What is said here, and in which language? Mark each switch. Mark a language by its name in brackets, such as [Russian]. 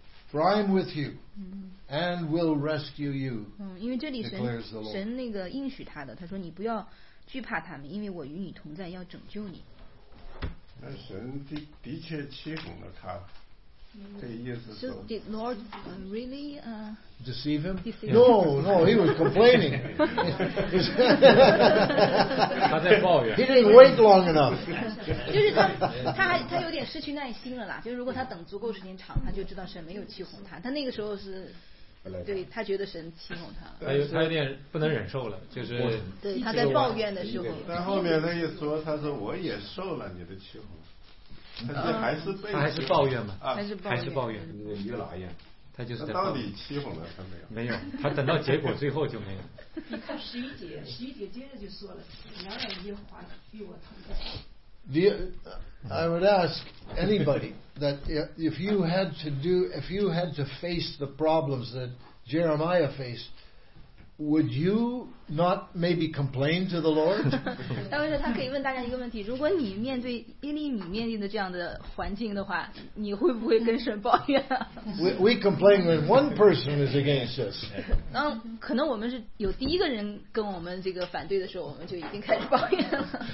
[English] For I am with you, and will rescue you. [Chinese] 因为这里神那个应许他的，他说你不要惧怕他们，因为我与你同在，要拯救你。那神的确欺哄了他，这意思是说。 [English] So did Lord really deceive him? Yeah. No, he was complaining. [Chinese] 他在抱怨。 [English] He didn't wait long enough. [Chinese] 就是他有点失去耐心了啦。就是如果他等足够时间长，他就知道神没有欺哄他。他那个时候是，对他觉得神欺哄他了。他有点不能忍受了，就是对他在抱怨的时候。但后面他一说，他说我也受了你的欺哄，但是还是被他还是抱怨嘛，还是抱怨。你哪样？他就是到底欺哄了他没有？没有，他等到结果最后就没有。你看十一节接着就说了，仰望耶和华与我同在。 [English] I would ask anybody that if you had to face the problems that Jeremiah faced, would you not maybe complain to the Lord? [Chinese] 但是他可以问大家一个问题：如果你面对耶利米面临的这样的环境的话，你会不会跟神抱怨？ [English] We complain when one person is against us. [Chinese] 那可能我们是有第一个人跟我们这个反对的时候，我们就已经开始抱怨了。